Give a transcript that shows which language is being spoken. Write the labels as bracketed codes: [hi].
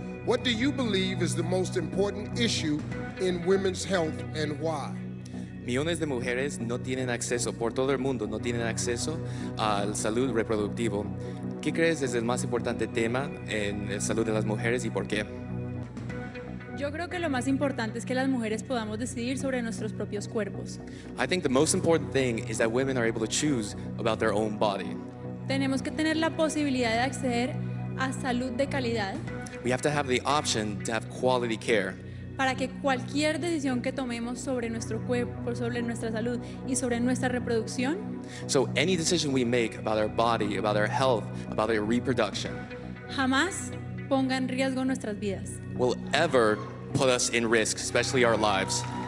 [en] What do you believe is the most important issue in women's health and why? [es] Millones de mujeres no tienen acceso por todo el mundo, no tienen acceso al salud reproductivo. ¿Qué crees es el más importante tema en la salud de las mujeres y por qué? Yo creo que lo más importante es que las mujeres podamos decidir sobre nuestros propios cuerpos. [en] I think the most important thing is that women are able to choose about their own body. [es] Tenemos que tener la posibilidad de acceder a salud de calidad. [en] We have to have the option to have quality care. [es] Para que cualquier decisión que tomemos sobre nuestro cuerpo, sobre nuestra salud y sobre nuestra reproducción. [en] So any decision we make about our body, about our health, about our reproduction. [es] Jamás ponga en riesgo nuestras vidas. [en] Will ever put us in risk, especially our lives.